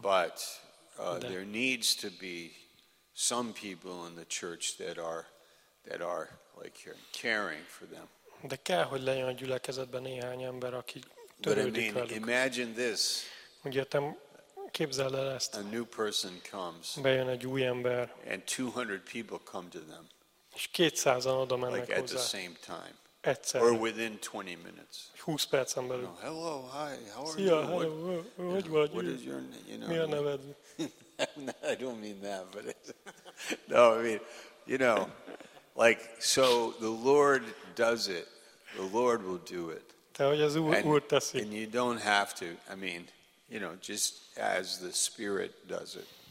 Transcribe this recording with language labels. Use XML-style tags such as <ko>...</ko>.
<en>But there needs to be some people in the church that are like caring for them.</en> <hu>De kell, hogy legyen a gyülekezetben néhány ember, aki törődik velük.</hu> <en>But I mean, imagine this.</en> <hu>Ugye, képzeld el ezt.</hu> <en>A new person comes.</en> <hu>Bejön egy új ember.</hu> <en>And 200 people come to them.</en> <hu>És 200-an oda mennek</hu> <en>like</en> <hu>hozzá.</hu> <en>At the same time.</en> <hu>Egyszer.</hu> <en>Or within 20 minutes.</en> <hu>20 percen belül.</hu> <en>You know, hello, hi, how are</en> <hu>Szia,</hu> <en>you?</en> <hu>Szia,</hu> <en>hello, what,</en> <hu>hogy vagy?</hu> <en>What is your, you know,</en> <hu>mi a neved?</hu> <en>I don't mean that, but it's... No, I mean, you know, like, so the Lord does it. The Lord will do it.</en> <hu>Te, hogy az Úr teszi.</hu> <en>And you don't have to, I mean... You know, just as the Spirit does it.</en>